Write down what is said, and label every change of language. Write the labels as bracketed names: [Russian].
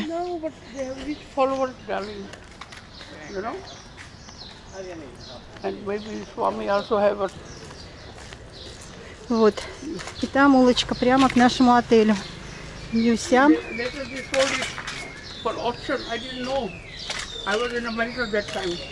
[English] No, but they have rich followers, darling. You know? And maybe Swami also have it. [Russian] Вот. И там улочка прямо к нашему отелю. Ньюсям. [English] Later they sold it for auction. I didn't know. I was in America that time.